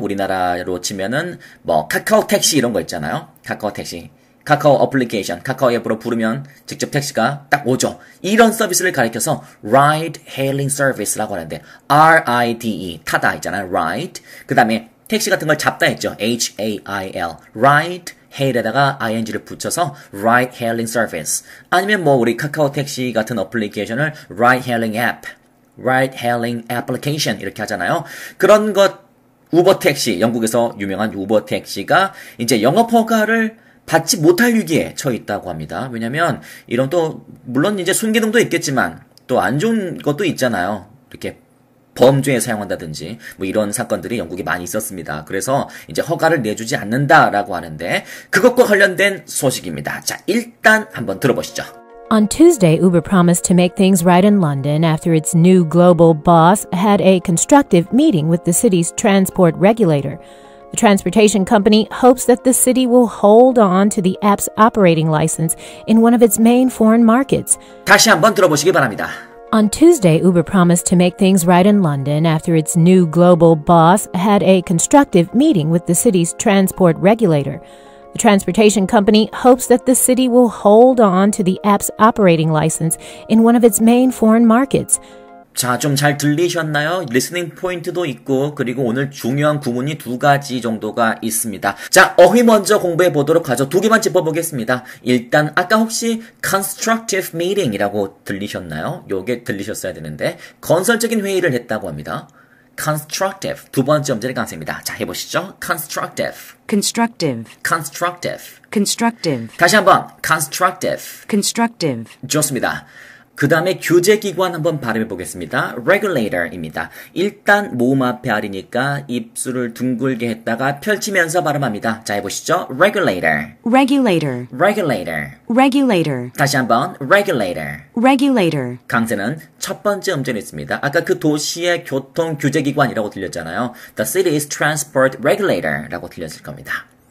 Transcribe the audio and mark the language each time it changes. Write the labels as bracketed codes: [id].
[ko] 우리나라로 치면은 카카오 택시 이런 거 있잖아요. 카카오 택시. 카카오 어플리케이션, 카카오 앱으로 부르면 직접 택시가 딱 오죠. 이런 서비스를 가리켜서 Ride Hailing Service라고 하는데 R-I-D-E, 타다 있잖아요. Ride, 그 다음에 택시 같은 걸 잡다 했죠. H-A-I-L, Ride, Hail에다가 ING를 붙여서 Ride Hailing Service. 아니면 우리 카카오 택시 같은 어플리케이션을 Ride Hailing App, Ride Hailing Application 이렇게 하잖아요. 그런 것, 우버 택시, 영국에서 유명한 우버 택시가 이제 영업 허가를 받지 못할 위기에 처해 있다고 합니다. 왜냐면 이런 또 물론 이제 순기능도 있겠지만 또 안 좋은 것도 있잖아요. 이렇게 범죄에 사용한다든지 이런 사건들이 영국에 많이 있었습니다. 그래서 이제 허가를 내주지 않는다라고 하는데 그것과 관련된 소식입니다. 자, 일단 한번 들어보시죠. [en] On Tuesday, Uber promised to make things right in London after its new global boss had a constructive meeting with the city's transport regulator. The transportation company hopes that the city will hold on to the app's operating license in one of its main foreign markets. [ko] 다시 한번 들어보시기 바랍니다. [en] On Tuesday, Uber promised to make things right in London after its new global boss had a constructive meeting with the city's transport regulator. The transportation company hopes that the city will hold on to the app's operating license in one of its main foreign markets. [ko] 자, 좀 잘 들리셨나요? 리스닝 포인트도 있고 그리고 오늘 중요한 구문이 두 가지 정도가 있습니다. 자, 어휘 먼저 공부해 보도록 하죠. 두 개만 짚어보겠습니다. 일단 아까 혹시 constructive meeting이라고 들리셨나요? 요게 들리셨어야 되는데 건설적인 회의를 했다고 합니다. constructive, 두 번째 문제를 강세입니다. 자, 해보시죠. constructive, [en] constructive, constructive, constructive. [ko] 다시 한번 constructive, [en] constructive. [ko] 좋습니다. 그 다음에 규제기관 한번 발음해 보겠습니다. regulator입니다. 일단 모음 앞에 R이니까 입술을 둥글게 했다가 펼치면서 발음합니다. 자, 해보시죠. regulator. [en] regulator. regulator. regulator. [ko] 다시 한번 regulator. [en] regulator. [ko] 강세는 첫 번째 음절이 있습니다. 아까 그 도시의 교통 규제기관이라고 들렸잖아요. [en] The city's transport regulator라고 들렸을 겁니다.